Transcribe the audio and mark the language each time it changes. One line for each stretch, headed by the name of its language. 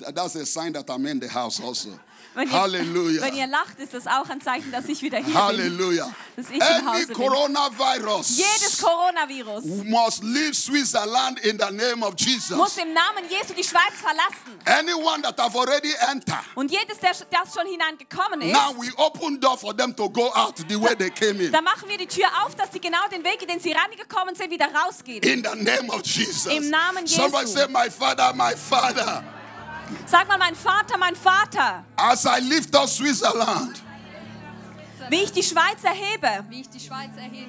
English: That's a sign that I'm in the house also.
German: Wenn
English: Hallelujah.
German: Ihr, wenn ihr lacht, ist das auch ein Zeichen, dass ich wieder hier
English: Hallelujah.
German: Bin. Hallelujah.
English: Any coronavirus.
German: Jedes Coronavirus.
English: Must leave Switzerland in the name of Jesus.
German: Muss im Namen Jesu die Schweiz verlassen.
English: Anyone that have already entered.
German: Und jedes, der das schon hineingekommen ist.
English: Now we open door for them to go out the way they came in.
German: Da machen wir die Tür auf, dass sie genau den Weg, den sie reingekommen sind, wieder rausgehen.
English: In the name of Jesus.
German: Im Namen Jesu.
English: Somebody say, my Father, my Father.
German: Sag mal, mein Vater, mein Vater.
English: As I lift up Switzerland.
German: Wie ich die Schweiz erhebe. Wie ich die Schweiz erhebe.